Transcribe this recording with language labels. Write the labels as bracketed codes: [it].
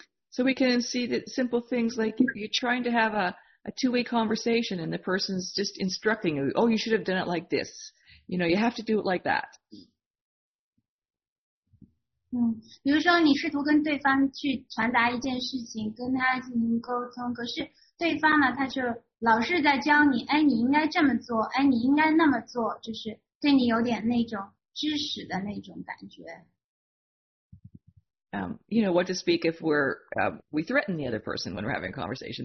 [en] So we can see that simple things like you're trying to have a two-way conversation and the person's just instructing you, oh, you should have done it like this. You know, you have to do it like that. [zh] 比如说你试图跟对方去传达一件事情，跟他进行沟通，可是对方呢，他就老是在教你，哎，你应该这么做，哎，你应该那么做，就是对你有点那种指使的那种感觉。 [en] You know, what to speak if we threaten the other person when we're having a conversation.